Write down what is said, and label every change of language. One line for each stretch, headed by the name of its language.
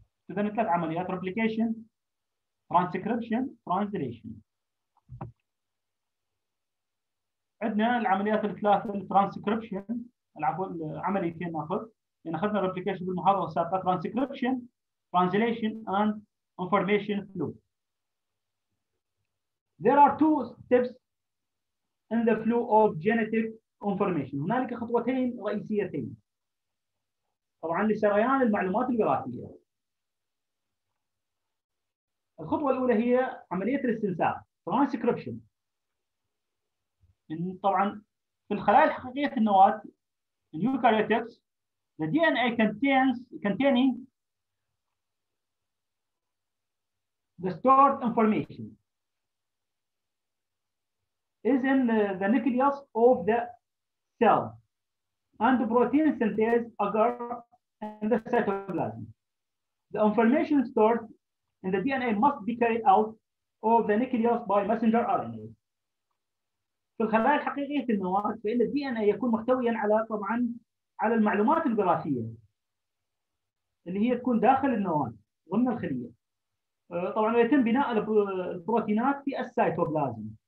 Arabic: اذا ثلاث عمليات: ريبليكيشن، ترانسكريبشن، ترانزليشن. عندنا العمليات الثلاثه: الترانسكريبشن، العفو عمليتين ناخذ، يعني اخذنا ريبليكيشن بالمحاضره السابقه، ترانسكريبشن،
English: Translation and information flow. There are two steps in the flow of genetic information.
Arabic: هنالك خطوتين رئيسيتين طبعا لسريان المعلومات الوراثيه. الخطوه الاولى هي عمليه الاستنساخ ترانسكريبشن. طبعا في الخلايا الحقيقيه في النواه اليوكاريوتكس ال دي ان اي
English: containing the stored information is in the nucleus of the cell and protein synthesis occur in the cytoplasm. The information stored in the DNA must be carried out of the nucleus by messenger RNA.
Arabic: في الخلايا الحقيقية في النواة فإن الـ DNA يكون محتويا على طبعا على المعلومات الوراثية اللي هي تكون داخل النواة ضمن الخلية. طبعا يتم بناء البروتينات في السيتوبلازم.